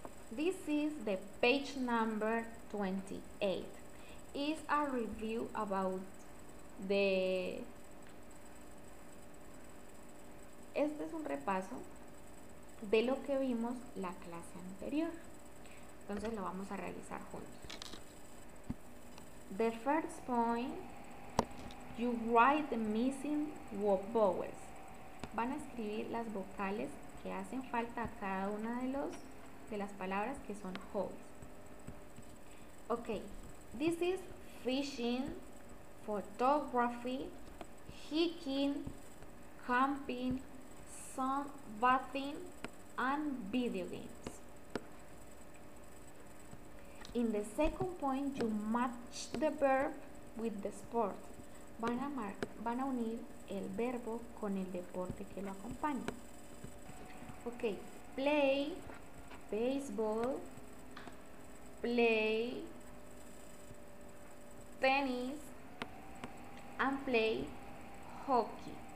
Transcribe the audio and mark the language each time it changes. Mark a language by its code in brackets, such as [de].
[en] This is the page number 28. It's a review about the... [es] Este es un repaso de lo que vimos la clase anterior. Entonces lo vamos a realizar juntos. [en] The first point, you write the missing vowels. [es] Van a escribir las vocales que hacen falta a cada una de los de las palabras que son hobbies. [en] Ok, this is fishing, photography, hiking, camping, sunbathing, and video games. In the second point, you match the verb with the sport. [es] Van a unir el verbo con el deporte que lo acompaña. [en] Ok, play baseball, play tennis, and play hockey.